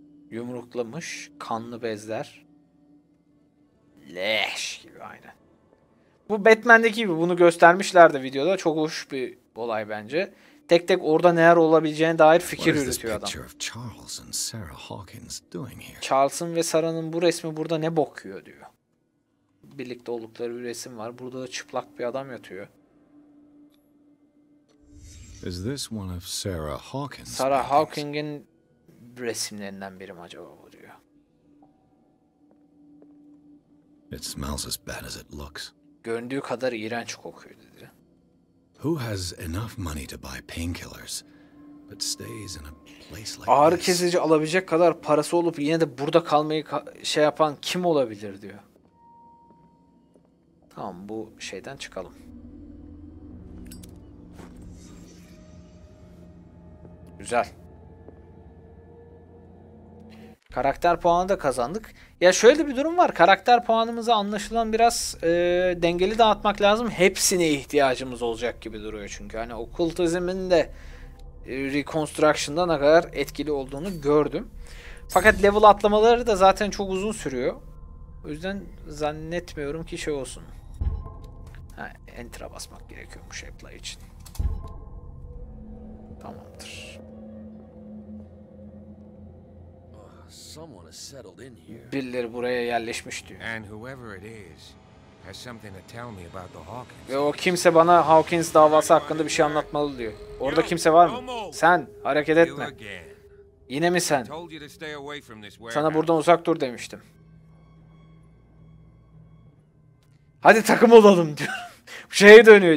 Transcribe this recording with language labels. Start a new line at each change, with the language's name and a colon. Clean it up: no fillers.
Turkish: Yumruklamış, kanlı bezler. Leş gibi aynen. Bu Batman'deki gibi, bunu göstermişlerdi videoda. Çok hoş bir olay bence. Tek tek orada neler olabileceğine dair fikir
English: What is this
Turkish: yürütüyor adam.
English: Picture of Charles and Sarah Hawkins doing here?
Turkish: Charles'ın ve Sarah'ın bu resmi burada ne bokuyor diyor. Birlikte oldukları bir resim var. Burada da çıplak bir adam yatıyor.
English: Is this one of Sarah Hawkins?
Turkish: Sarah Hawking'in resimlerinden biri mi acaba bu diyor.
English: It smells as bad as it looks.
Turkish: Göründüğü kadar iğrenç kokuyor dedi.
English: Who has enough money to buy painkillers but stays in a place like
Turkish: Ağrı kesici alabilecek kadar parası olup yine de burada kalmayı şey yapan kim olabilir diyor. Tamam, bu şeyden çıkalım. Güzel. Karakter puanı da kazandık. Ya şöyle bir durum var. Karakter puanımızı anlaşılan biraz dengeli dağıtmak lazım. Hepsine ihtiyacımız olacak gibi duruyor çünkü. Hani okultizmin de Reconstruction'da ne kadar etkili olduğunu gördüm. Fakat level atlamaları da zaten çok uzun sürüyor. O yüzden zannetmiyorum ki şey olsun. Ha, enter'a basmak gerekiyormuş apply için. Tamamdır.
English: Someone has settled in here.
Turkish: Birileri buraya yerleşmiş diyor.
English: And whoever it is has something to tell me about the Hawkins.
Turkish: Ve o kimse bana Hawkins davası hakkında bir şey anlatmalı diyor. Orada kimse var mı? Sen hareket etme. Yine mi sen? Sana buradan uzak dur demiştim. Hadi takım olalım diyor. Şeye dönüyor.